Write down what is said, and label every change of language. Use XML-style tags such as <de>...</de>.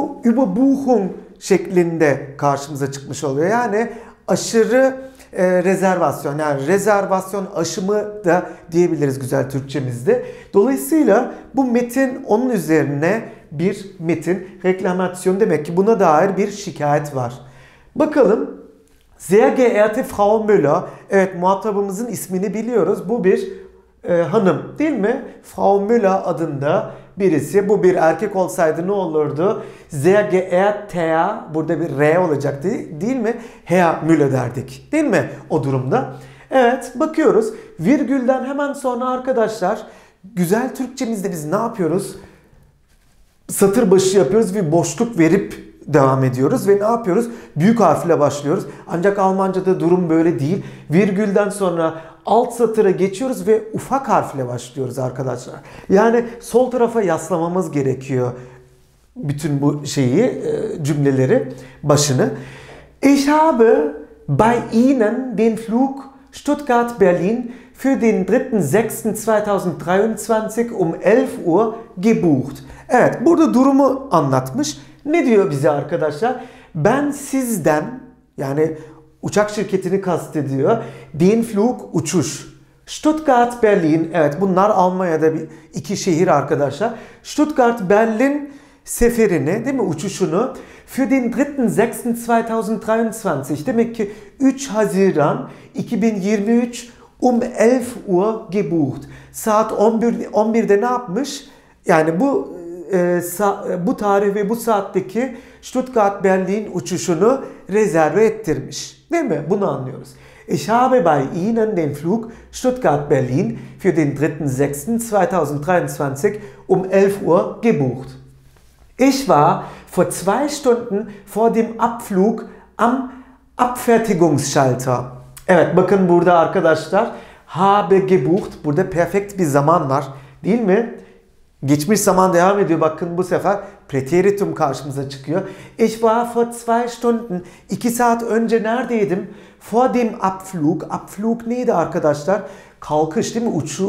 <tr>Bu überbuchung şeklinde karşımıza çıkmış oluyor. Yani aşırı rezervasyon. Yani rezervasyon aşımı da diyebiliriz güzel Türkçemizde. Dolayısıyla bu metin onun üzerine bir metin. Reklamasyon demek ki buna dair bir şikayet var. Bakalım.</tr> <de>Sehr geehrte Frau Müller.</de> <tr>Evet, muhatabımızın ismini biliyoruz. Bu bir hanım, değil mi? Frau Müller adında birisi. Bu bir erkek olsaydı ne olurdu?</tr> <de>Sehr geehrte,</de> <tr>burada bir R olacaktı, değil mi? Herr Müller derdik, değil mi? O durumda. Evet, bakıyoruz. Virgülden hemen sonra arkadaşlar, güzel Türkçemizde biz ne yapıyoruz? Satır başı yapıyoruz, bir boşluk verip devam ediyoruz ve ne yapıyoruz? Büyük harfle başlıyoruz. Ancak Almanca'da durum böyle değil. Virgülden sonra alt satıra geçiyoruz ve ufak harfle başlıyoruz arkadaşlar. Yani sol tarafa yaslamamız gerekiyor bütün bu şeyi, cümleleri, başını.</tr> <de>Ich habe bei Ihnen den Flug Stuttgart-Berlin für den 3.6.2023 um 11 Uhr gebucht.</de> <tr>Evet, burada durumu anlatmış. Ne diyor bize arkadaşlar? Ben sizden, yani uçak şirketini kastediyor,</tr> <de>den Flug</de> <tr>uçuş. Stuttgart, Berlin, evet bunlar Almanya'da bir iki şehir arkadaşlar. Stuttgart, Berlin seferini, değil mi, uçuşunu</tr> <de>für den 3.6.2023,</de> <tr>demek ki 3 Haziran 2023</tr> <de>um 11 Uhr gebucht.</de> <tr>Saat 11'de ne yapmış? Yani bu bu tarih ve bu saatteki Stuttgart, Berlin uçuşunu rezerve ettirmiş. Değil mi? Bunu anlıyoruz.</tr> <de>Ich habe bei Ihnen den Flug Stuttgart-Berlin für den 3.6.2023 um 11 Uhr gebucht. Ich war vor 2 Stunden vor dem Abflug am Abfertigungsschalter.</de> <tr>Evet, bakın burada arkadaşlar,</tr> <de>habe gebucht.</de> <tr>Burada perfekt bir zaman var, değil mi? Geçmiş zaman devam ediyor. Bakın bu sefer preteritum karşımıza çıkıyor.</tr> <de>Ich war vor 2 Stunden,</de> <tr>2 saat önce neredeydim?</tr> <de>Vor dem Abflug.</de> <tr>Abflug neydi arkadaşlar? Kalkış, değil mi?</tr>